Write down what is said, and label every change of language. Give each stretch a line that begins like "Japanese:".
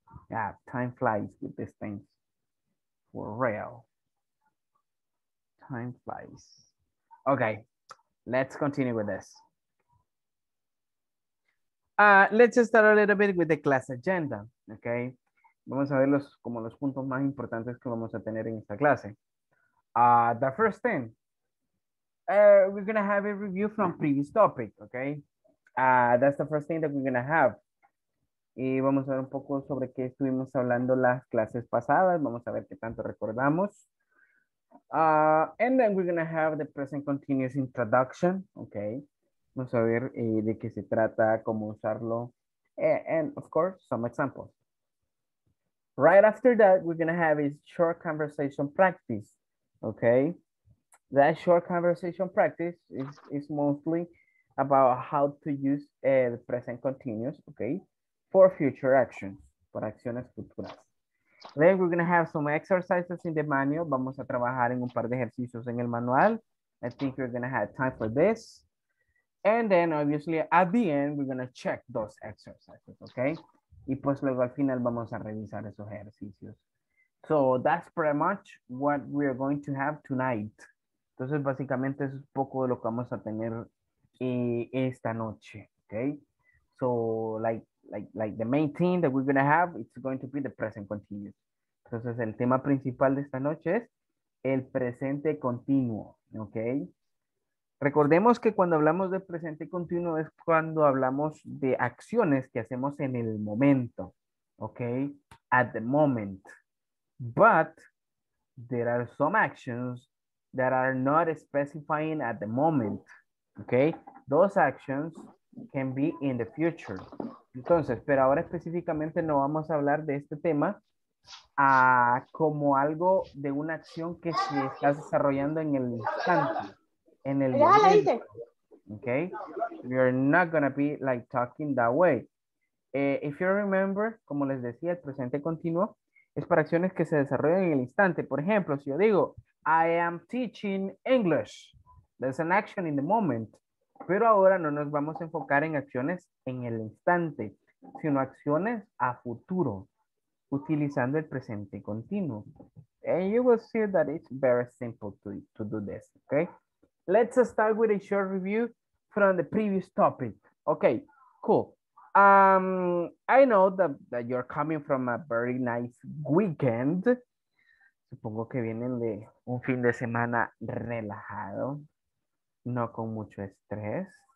English: Yeah, time flies with these things. For real. Time flies. Okay, let's continue with this. Let's just start a little bit with the class agenda, okay?
Spanish: Vamos a ver los, como los puntos más importantes que vamos a tener en esta clase.
English: The first thing, we're gonna have a review from previous topic, okay? That's the first thing that we're gonna have.
Spanish: Y vamos a ver un poco sobre qué estuvimos hablando las clases pasadas. Vamos a ver qué tanto recordamos.
English: And then we're going to have the present continuous introduction. Okay.
Spanish: Vamos a ver de qué se trata, cómo usarlo.
English: And of course, some examples. Right after that, we're going to have a short conversation practice. Okay. That short conversation practice is mostly about how to use the present continuous. Okay. For future actions,
Spanish: por acciones futuras.
English: Then we're going to have some exercises in the manual.
Spanish: Vamos a trabajar en un par de ejercicios en el manual.
English: I think we're going to have time for this. And then, obviously, at the end, we're going to check those exercises, okay?
Spanish: Y pues luego al final vamos a revisar esos ejercicios.
English: So that's pretty much what we are going to have tonight.
Spanish: Entonces, básicamente, es poco de lo que vamos a tener esta noche, okay?
English: So, like the main thing that we're going to have, it's going to be the present continuous.
Spanish: Entonces, el tema principal de esta noche es el presente continuo, okay? Recordemos que cuando hablamos de presente continuo es cuando hablamos de acciones que hacemos en el momento, okay?
English: At the moment. But there are some actions that are not specifying at the moment, okay? Those actions can be in the future.
Spanish: Entonces, pero ahora específicamente no vamos a hablar de este tema como algo de una acción que se está desarrollando en el instante. En el momento,
English: okay, we're not gonna be like talking that way. If you remember,
Spanish: como les decía, el presente continuo es para acciones que se desarrollan en el instante. Por ejemplo, si yo digo,
English: I am teaching English, that's an action in the moment.
Spanish: Pero ahora no nos vamos a enfocar en acciones en el instante, sino acciones a futuro, utilizando el presente continuo.
English: And you will see that it's very simple to do this, okay? Let's start with a short review from the previous topic. Okay, cool. I know that you're coming from a very nice weekend.
Spanish: Supongo que vienen de un fin de semana relajado, no con mucho estrés.